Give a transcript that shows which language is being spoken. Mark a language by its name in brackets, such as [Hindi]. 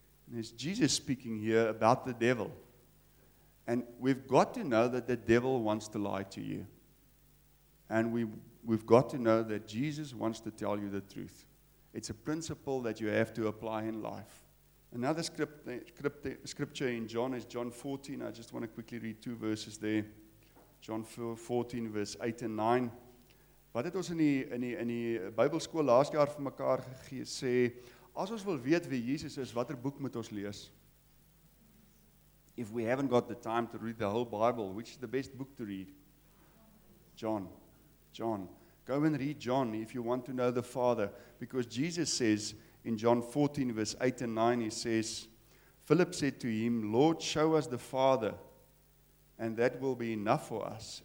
[English] And it's Jesus speaking here about the devil. And we've got to know that the devil wants to lie to you. And we've got to know that Jesus wants to tell you the truth. It's a principle that you have to apply in life. Another scripture in John is John 14. I just want to quickly read two verses there. John 14, verse 8 and 9. [Afrikaans] Wat het ons in die Bybelskool laas jaar vir mekaar gegee, sê, as ons wil weet wie Jesus is, watter boek moet ons lees? [English] If we haven't got the time to read the whole Bible, which is the best book to read? John. Go and read John if you want to know the Father. Because Jesus says in John 14 verse 8 and 9, he says, Philip said to him, Lord, show us the Father, and that will be enough for us.